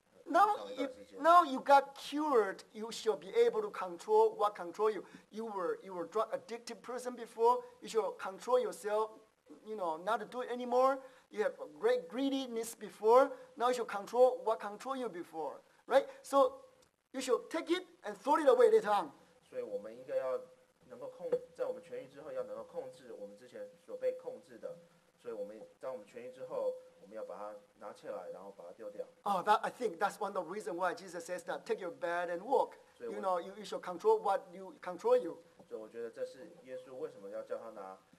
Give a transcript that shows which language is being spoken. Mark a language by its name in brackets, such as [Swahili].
[English] Now you got cured, you shall be able to control what control you. You were a drug addicted person before, you shall control yourself, you know, not to do it anymore. You have great greediness before, now you should control what controlled you before, right? So you should take it and throw it away later on. [Chinese] 所以我们应该要能够控制，在我们痊愈之后要能够控制我们之前所被控制的，所以我们当我们痊愈之后，我们要把它拿起来，然后把它丢掉。 [English] Oh, that, I think that's one of the reasons why Jesus says that, take your bed and walk. You know, you should control what you control you. [Chinese] 所以我觉得这是耶稣为什么要叫他拿